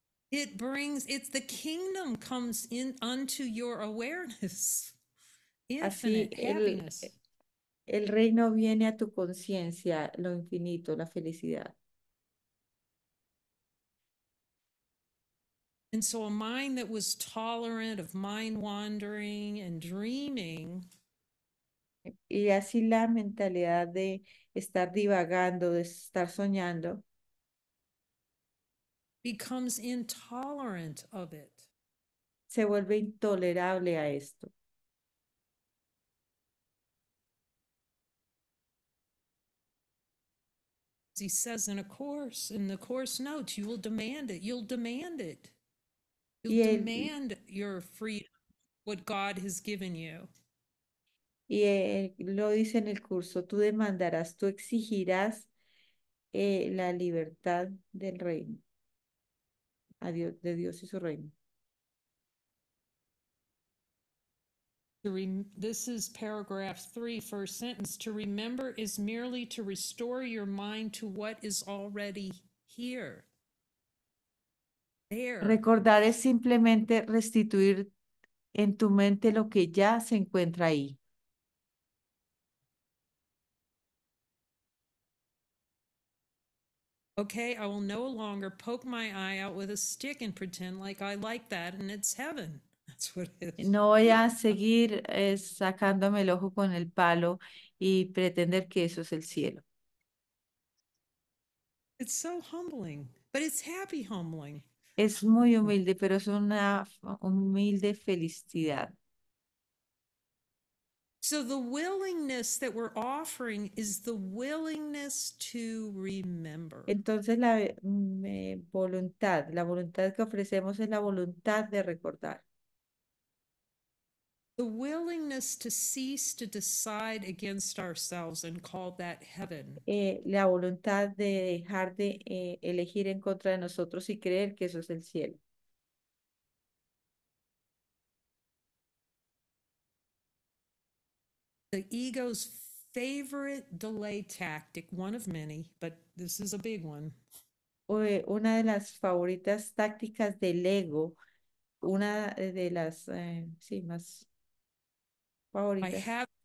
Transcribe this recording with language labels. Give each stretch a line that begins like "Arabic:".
English: It's the kingdom comes in unto your awareness,
Spanish: Así
English: infinite happiness.
Spanish: el reino viene a tu conciencia, lo infinito, la felicidad.
English: And so a mind that was tolerant of mind wandering and dreaming.
Spanish: Y así la mentalidad de estar divagando, de estar soñando.
English: Becomes intolerant of it.
Spanish: Se vuelve intolerable a esto.
English: He says in a course, in the course notes, you will demand it. You'll demand it. You'll
Spanish: Y él
English: demand your freedom, what God has given you.
Spanish: lo dice en el curso, tú demandarás, tú exigirás la libertad del reino, a Dios, de Dios y su reino.
English: This is paragraph three, first sentence. To remember is merely to restore your mind to what is already here. There.
Spanish: Recordar es simplemente restituir en tu mente lo que ya se encuentra ahí.
English: Okay, I will no longer poke my eye out with a stick and pretend like I like that and it's heaven. That's what it is.
Spanish: No voy a seguir sacándome el ojo con el palo y pretender que eso es el cielo.
English: It's so humbling, but it's happy humbling.
Spanish: Es muy humilde, pero es una humilde felicidad.
English: So the willingness that we're offering is the willingness to remember.
Spanish: Entonces la voluntad que ofrecemos es la voluntad de recordar.
English: The willingness to cease to decide against ourselves and call that heaven.
Spanish: La voluntad de dejar de elegir en contra de nosotros y creer que eso es el cielo.
English: The ego's favorite delay tactic, one of many, but this is a big one.
Spanish: Una de las favoritas tácticas del ego, una de las sí, más favoritas,